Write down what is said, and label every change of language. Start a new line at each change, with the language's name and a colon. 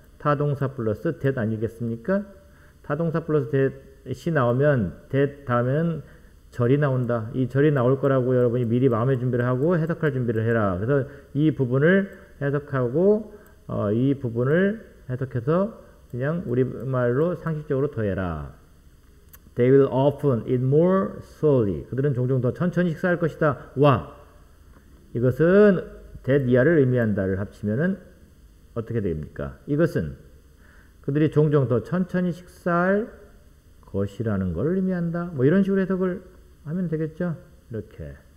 Korean: 타동사 플러스 that 아니겠습니까? 타동사 플러스 that이 나오면 that 다음에는 절이 나온다. 이 절이 나올 거라고 여러분이 미리 마음의 준비를 하고 해석할 준비를 해라. 그래서 이 부분을 해석하고 이 부분을 해석해서 그냥 우리말로 상식적으로 더해라.
English: They will often eat more slowly.
Korean: 그들은 종종 더 천천히 식사할 것이다. 와! 이것은 that 이하를 의미한다를 합치면은 어떻게 됩니까? 이것은 그들이 종종 더 천천히 식사할 것이라는 걸 의미한다. 뭐 이런 식으로 해석을 하면 되겠죠? 이렇게.